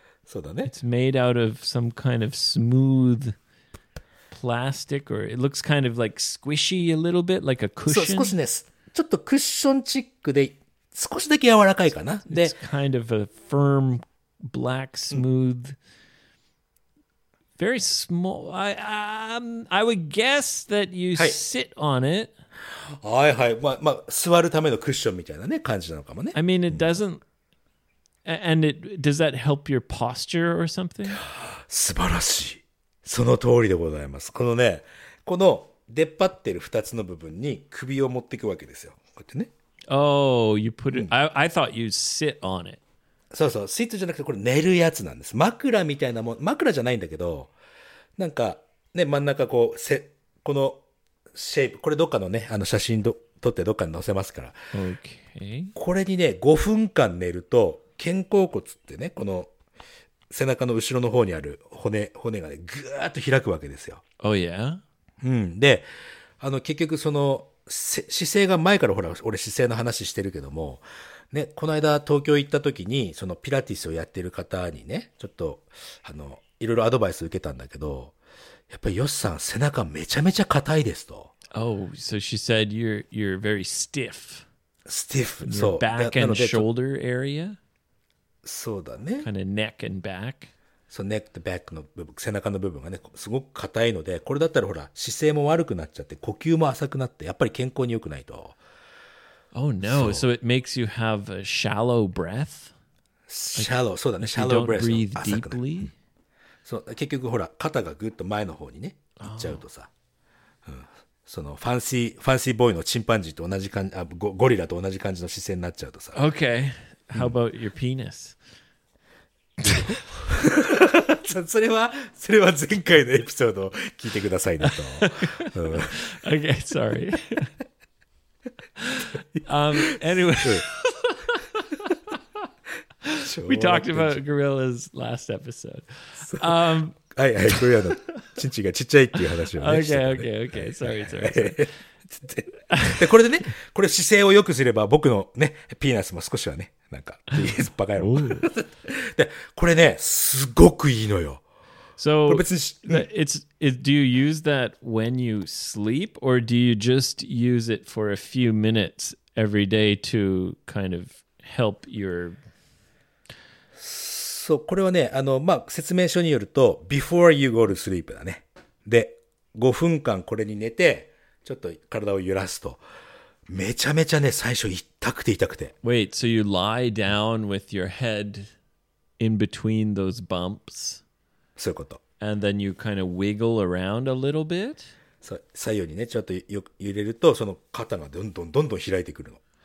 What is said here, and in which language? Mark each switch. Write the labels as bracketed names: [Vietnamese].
[English] It's made out of some kind of smooth plastic, or it looks kind of like squishy a little bit, like a cushion. [Japanese] ちょっとクッションチックで少しだけ柔らかいかな。で、 [English] It's kind of a firm, black, smooth, very small. I would guess that you sit on it. [Japanese] はいはい。まあ、座るためのクッションみたいなね、感じなのかもね。 [English] I mean, it doesn't... And it, does that help your posture or something? [Japanese] 素晴らしい。その通りでございます。このね、この出っ張ってる2つの部分に首を持っていくわけですよ。こうやってね。 [English] Oh, you put it. I thought you sit on it. [Japanese] そうそう、シートじゃなくてこれ寝るやつなんです。枕みたいなもん、枕じゃないんだけど、なんかね真ん中こうせこのシェイプ、これどっかのねあの写真ど撮ってどっかに載せますから。 [English] Okay. [Japanese] これにね5分間寝ると肩甲骨ってねこの背中の後ろの方にある骨がねぐーっと開くわけですよ。 [English] Oh yeah. [Japanese] うん。で、あの結局その姿勢が前からほら俺姿勢の話してるけどもね、この間東京行った時にそのピラティスをやってる方にねちょっとあのいろいろアドバイス受けたんだけど、やっぱりヨシさん背中めちゃめちゃ硬いですと。 [English] Oh, so she said you're very stiff. [Japanese] Stiff. そう。 [English] Back and shoulder area. [Japanese] そうだね。 [English] Kind of neck and back. So neck to back [Japanese] の部分、背中の部分がねすごく硬いので、これだったらほら姿勢も悪くなっちゃって呼吸も浅くなって、やっぱり健康に良くないと。 [English] Oh no! So it makes you have a shallow breath. Shallow, like, [Japanese] そうだね。 [English] Shallow breath, you don't breathe deeply. [Japanese] そう、結局ほら肩がぐっと前の方にね行っちゃうとさ、そのファンシーボーイのチンパンジーと同じ感じ、あ、ゴリラと同じ感じの姿勢になっちゃうとさ。 [English] Okay. How about your penis? [Japanese] それは前回のエピソードを聞いてくださいねと。 [English] Okay, sorry. Anyway, we talked about gorillas last episode. [Japanese] はいはい、これはのチンチンがちっちゃいっていう話をね。 [English] Okay, okay, okay. Sorry, sorry. [Japanese] これでね、これ姿勢を良くすれば僕のねピーナスも少しはね。なんかピースバカやろ。で、これね、すごくいいのよ。 [English] So, do you use that when you sleep, or do you just use it for a few minutes every day to kind of help your... [Japanese] そう、これはね、あの、まあ、説明書によると、 [English] before you go to sleep [Japanese] だね。で、5分間これに寝て、ちょっと体を揺らすと。めちゃめちゃね、最初痛くて痛くて。 [English] Wait, so you lie down with your head in between those bumps? [Japanese] そういうこと。 [English] And then you kind of wiggle around a little bit? [Japanese] そう、左右にね、ちょっと揺れると、その肩がどんどんどんどん開いてくるの。